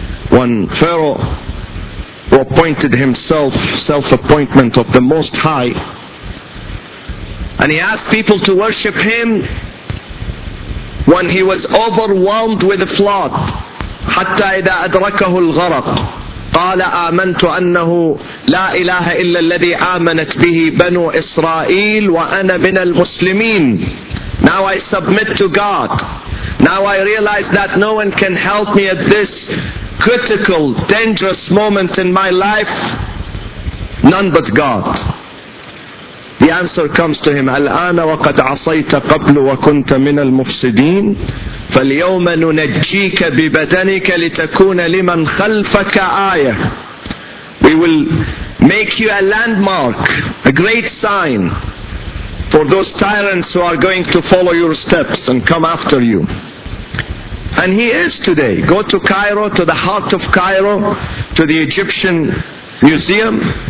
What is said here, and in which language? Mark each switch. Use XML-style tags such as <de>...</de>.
<en>When Pharaoh, who appointed himself, self-appointment of the Most High, and he asked people to worship him, when he was overwhelmed with the flood,</en> <ar>حَتَّى إِذَا أَدْرَكَهُ الْغَرَقُ قَالَ آمَنْتُ أَنَّهُ لَا إِلَهَ إِلَّا الَّذِي آمَنَتْ بِهِ بَنُو إِسْرَائِيلُ وَأَنَا مِنَ الْمُسْلِمِينَ.</ar> <en>Now I submit to God. Now I realize that no one can help me at this critical, dangerous moment in my life. None but God. The answer comes to him,</en> <ar>الْآنَ وَقَدْ عَصَيْتَ قَبْلُ وَكُنْتَ مِنَ الْمُفْسِدِينَ فَالْيَوْمَ نُنَجِّيكَ بِبَدَنِكَ لِتَكُونَ لِمَنْ خَلْفَكَ آيَةً.</ar> <en>We will make you a landmark, a great sign for those tyrants who are going to follow your steps and come after you. And he is today. Go to Cairo, to the heart of Cairo, to the Egyptian Museum.</en>